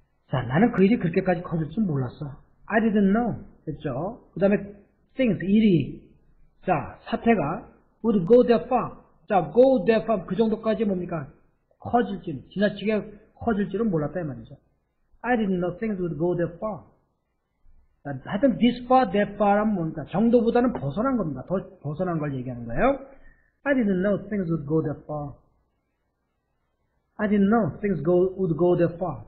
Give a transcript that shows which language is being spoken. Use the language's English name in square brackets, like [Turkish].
[Korean] 자, 나는 그 일이 그렇게까지 커질 줄 몰랐어. [English] I didn't know. [Korean] 됐죠? 그 다음에 things, 일이. 자, 사태가 [English] would go that far. 자, go that far. [Korean] 그 정도까지 뭡니까? 커질지는, 지나치게 커질지는 몰랐다 이 말이죠. [English] I didn't know things would go that far. [Korean] 하여튼 this far, that far란 뭡니까? 정도보다는 벗어난 겁니다. 더 벗어난 걸 얘기하는 거예요. [English] I didn't know things would go that far. I didn't know things would go that far.